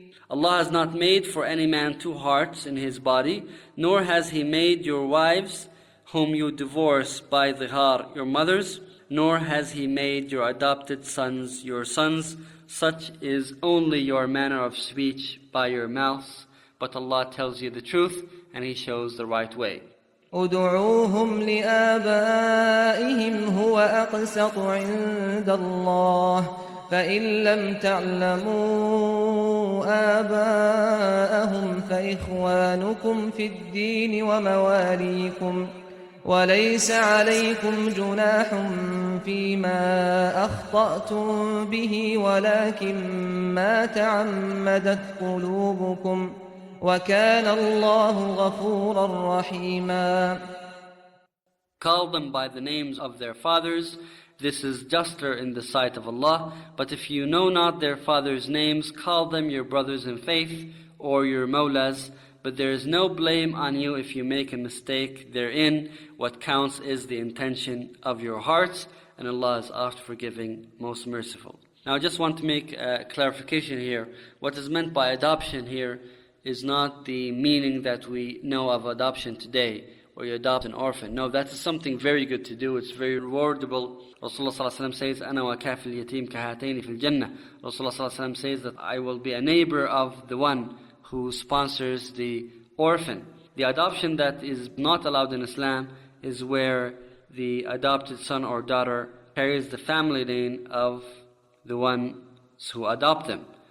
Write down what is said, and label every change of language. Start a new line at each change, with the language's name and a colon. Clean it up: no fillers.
English: Allah has not made for any man two hearts in his body, nor has He made your wives, whom you divorce by dhihar, your mothers, nor has He made your adopted sons your sons. Such is only your manner of speech by your mouth. But Allah tells you the truth, and He shows the right way.
Arabic: أدعوهم لآبائهم هو أقسط عند الله فإن لم تعلموا آباءهم فإخوانكم في الدين ومواليكم وليس عليكم جناح فيما أخطأتم به ولكن ما تعمدت قلوبكم وَكَانَ اللَّهُ غَفُورًا رَّحِيمًا.
English: Call them by the names of their fathers. This is juster in the sight of Allah. But if you know not their fathers' names, call them your brothers in faith or your mawlas. But there is no blame on you if you make a mistake therein. What counts is the intention of your hearts. And Allah is oft forgiving, most merciful. Now I just want to make a clarification here. What is meant by adoption here is not the meaning that we know of adoption today, where you adopt an orphan. No, that is something very good to do. It's very rewardable. Rasulullah ﷺ says,
Arabic: أَنَا وَكَافِ الْيَتِيمِ كَهَاتَيْنِ فِي الْجَنَّةِ.
English: Rasulullah ﷺ says that I will be a neighbor of the one who sponsors the orphan. The adoption that is not allowed in Islam is where the adopted son or daughter carries the family name of the ones who adopt them.